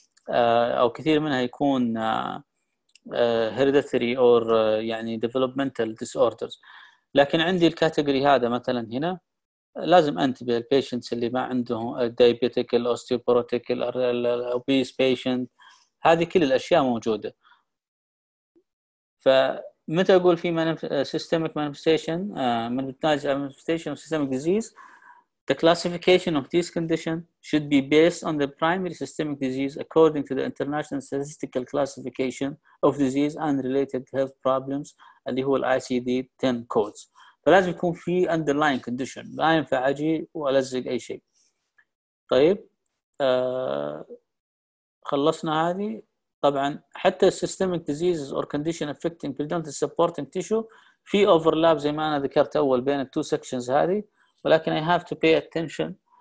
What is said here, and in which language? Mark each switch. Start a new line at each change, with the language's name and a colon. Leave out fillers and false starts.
Arabic: أو كثير منها يكون
English: hereditary or
Arabic: يعني
English: developmental disorders.
Arabic: لكن عندي الكاتيجوري هذا مثلا هنا لازم أنتبه البيشنتس اللي ما عندهم
English: diabetic, osteoporotic, obese patient,
Arabic: هذه كل الأشياء موجودة. فمتى أقول في
English: systemic manifestation, manifestation of systemic disease, the classification of this condition should be based on the primary systemic disease according to the international statistical classification of disease and related health problems,
Arabic: اللي هو
English: ICD-10 codes.
Arabic: فلازم يكون في
English: underlying condition,
Arabic: لا ينفع أجي وألزق أي شيء. طيب خلصنا هذه.
English: طبعا حتى systemic diseases or condition affecting predominant supporting tissue في overlap
Arabic: زي ما أنا ذكرت أول بين
English: two sections هذه, ولكن I have to pay attention.